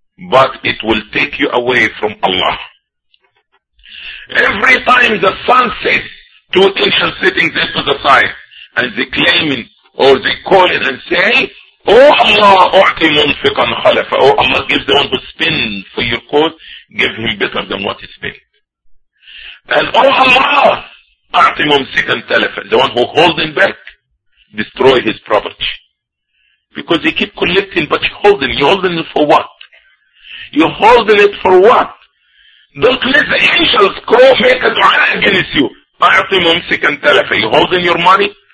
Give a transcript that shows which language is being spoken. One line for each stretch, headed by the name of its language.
English: But it will take you away from Allah. Every time the sun sets, two angels sitting there to the side, and they claiming, or they calling and say,
Arabic: Allah, أعطي منفقا خلفا.
English: Oh Allah, give the one who spins for your cause, give him better than what he spent. And oh
Arabic: Allah, أعطي ممسكا تلفا.
English: The one who holds him back, destroy his property. Because he keep collecting, but you holding it for what? You're holding it for what? Don't let the angels go make a dua against you.
Arabic: أعطي ممسكا تلفا.
English: You're holding your money?